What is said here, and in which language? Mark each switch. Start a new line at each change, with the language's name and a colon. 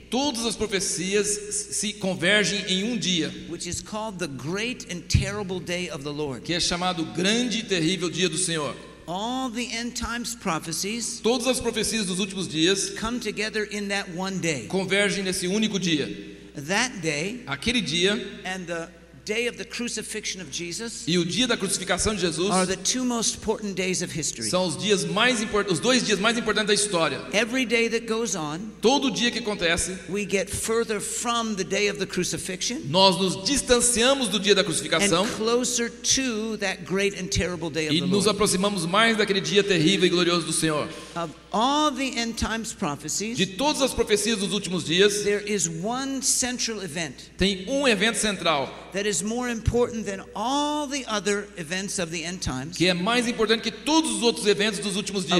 Portuguese: Todas as profecias se convergem em um dia,
English: which is called the great and terrible day of the Lord.
Portuguese: Que é chamado o grande e terrível dia do Senhor.
English: All the end times prophecies,
Portuguese: todas as profecias dos últimos dias,
English: come together in that one day.
Portuguese: Convergem nesse único dia.
English: That day,
Portuguese: aquele dia,
English: and the day of the crucifixion of Jesus,
Portuguese: e o dia da crucificação de Jesus,
English: are the two most important days of history.
Portuguese: São os dias mais os dois dias mais importantes da história.
English: Every day that goes on,
Portuguese: todo dia que acontece,
English: we get further from the day of the crucifixion,
Portuguese: nós nos distanciamos do dia da crucificação,
English: and closer to that great and terrible day of the Lord.
Portuguese: E nos aproximamos mais daquele dia terrível e glorioso do Senhor.
English: Of all the end times prophecies,
Portuguese: de todas as profecias dos últimos dias,
English: there is one central event,
Portuguese: tem um evento central,
English: that is more important than all the other events of the end times,
Portuguese: que é mais importante que todos os outros eventos dos últimos dias,